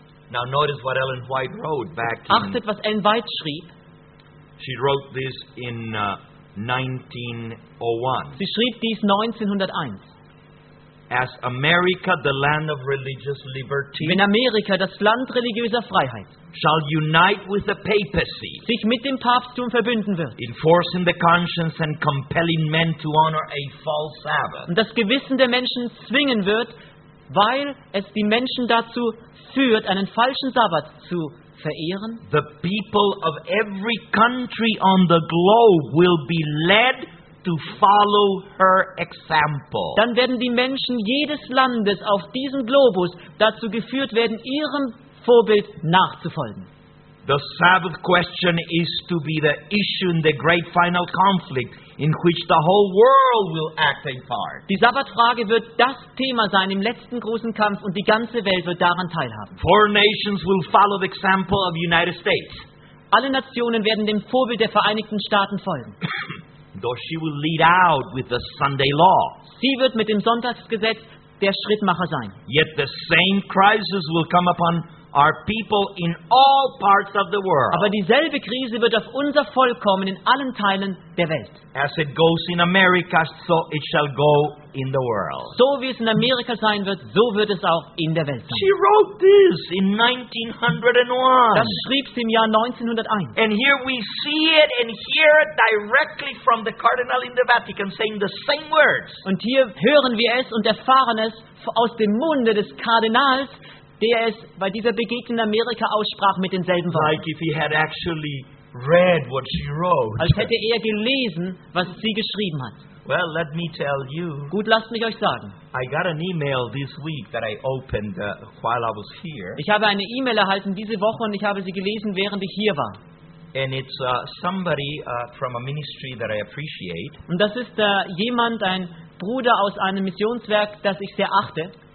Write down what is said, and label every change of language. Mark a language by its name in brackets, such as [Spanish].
[English] Now notice what Ellen White wrote back to. [German] Achtet, was Ellen White schrieb. [English] She wrote this in 1901. [German] Sie schrieb dies 1901. [English] As America, the land of religious liberty, [German] wenn Amerika, das Land religiöser Freiheit, [English] shall unite with the papacy, [German] sich mit dem Papsttum verbünden wird, [English] enforcing the conscience and compelling men to honor a false Sabbath, [German] und das Gewissen der Menschen zwingen wird, weil es die Menschen dazu führt, einen falschen Sabbat zu verehren, [English] the people of every country on the globe will be led to follow her example. [German] Dann werden die Menschen jedes Landes auf diesem Globus dazu geführt werden, ihrem Vorbild nachzufolgen. [English] The Sabbath question is to be the issue in the great final conflict in which the whole world will act a part. [German] Die Sabbatfrage wird das Thema sein im letzten großen Kampf und die ganze Welt wird daran teilhaben. [English] Foreign nations will follow the example of the United States. [German] Alle Nationen werden dem Vorbild der Vereinigten Staaten folgen. [English] Though she will lead out with the Sunday law. [German] Sie wird mit dem Sonntagsgesetz der Schrittmacher sein. [English] Yet the same crisis will come upon our people in all parts of the world. [German] Aber dieselbe Krise wird auf unser Volk kommen in allen Teilen der Welt. [English] As it goes in America, so it shall go in the world. [German] So wie es in Amerika sein wird, so wird es auch in der Welt sein. [English] She wrote this in 1901. [German] Das schrieb sie im Jahr 1901. [English] And here we see it and hear it directly from the cardinal in the Vatican saying the same words. [German] Und hier hören wir es und erfahren es aus dem Munde des Kardinals, der es bei dieser Begegnung in Amerika aussprach mit denselben Worten. [English] Like if he had actually read what she wrote. [German] Als hätte er gelesen, was sie geschrieben hat. [English] Well, let me tell you. [German] Gut, lasst mich euch sagen. [English] I got an email this week that I opened while I was here. [German] Ich habe eine E-Mail erhalten diese Woche und ich habe sie gelesen, während ich hier war. [English] And it's somebody from a ministry that I appreciate. [German] Und das ist jemand, ein Bruder aus einem Missionswerk, das ich sehr achte.